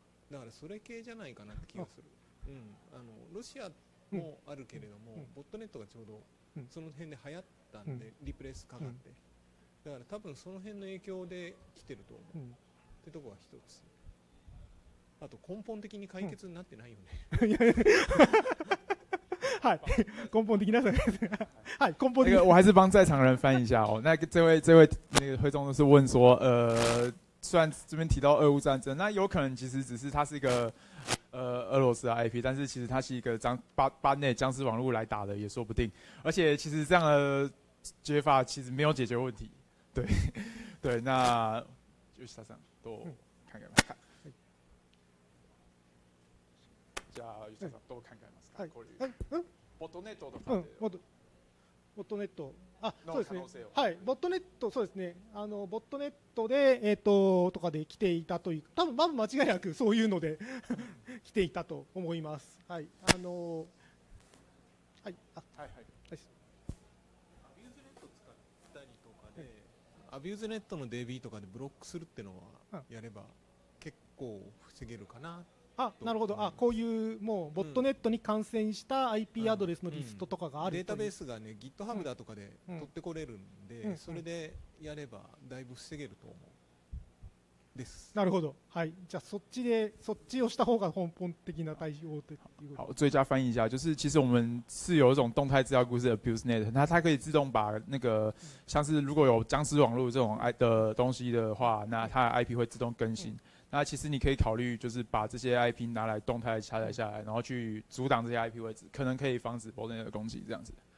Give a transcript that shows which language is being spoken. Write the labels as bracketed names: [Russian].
[Japanese] だからそれ系じゃないかなって気がする。あ、うん、ロシアもあるけれども、うん、ボットネットがちょうどその辺で流行ったんで、うん、リプレイスかかって、うん、だから多分その辺の影響で来てると思う、うん、ってとこが一つ。あと根本的に解決になってないよね、うん、はい、根本的な、はい、根本的 [Chinese] 我还是帮在场人翻译一下哦那这位那个会中是问说虽然这边提到俄乌战争，那有可能其实只是它是一个俄罗斯的 IP， 但是其实它是一个班内僵尸网络来打的也说不定。而且其实这样的解法其实没有解决问题。对对，那就是他这样多看看。 [Japanese] じゃあ、吉田さん、 [Chinese] 多看看嘛。 [Japanese] はい。はい。ボットネットとかで。ボットネット。あ、そうですね、はい、ボットネット、そうですね、ボットネットで、とかで来ていたという、多分まあ間違いなくそういうので来ていたと思います、はい、はい、あ、はいはい、はい、アビューズネット使ったりとかで、はい、アビューズネットの DB とかでブロックするっていうのはやれば結構防げるかな、あ、なるほど、あ、こういうもうボットネットに感染した IP アドレスのリストとかがあるという、うんうん、データベースがね、GitHub だとかで取ってこれるんで、うんうん、それでやればだいぶ防げると思うです。なるほど、はい、じゃあそっちをした方が根本的な対応ということ。 [Chinese] 好，最佳翻译一下，就是其实我们是有一种动态资料库是 Abuse Net， 那它可以自动把那个像是如果有僵尸网络这种的东西的话，那它的 IP 会自动更新。嗯，那其实你可以考虑就是把这些 IP 拿来动态下载下来，然后去阻挡这些 IP 位置，可能可以防止 botnet 的攻击这样子。